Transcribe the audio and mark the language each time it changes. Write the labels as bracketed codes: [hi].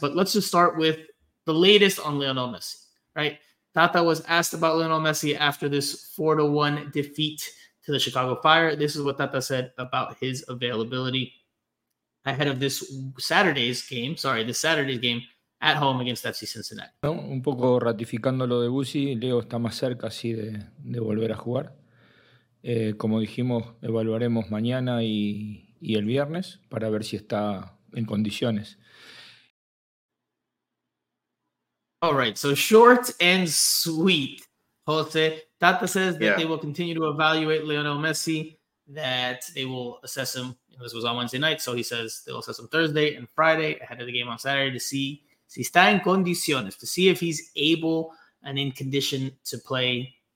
[en] But let's just start with the latest on Lionel Messi, right? Tata was asked about Lionel Messi after this 4-1 defeat to the Chicago Fire. This is what Tata said about his availability ahead of this Saturday's game at home against FC Cincinnati. [es] No, un poco ratificando lo de Busi, Leo está más cerca así de volver a jugar. Como dijimos, evaluaremos mañana y el viernes para ver si está en condiciones. [en] All right, so short and sweet, Jose. Tata says that they will continue to evaluate Lionel Messi, that they will assess him. This was on Wednesday night, so he says they'll assess him Thursday and Friday ahead of the game on Saturday to see [es] si está en condiciones, [en] to see if he's able and in condition to play.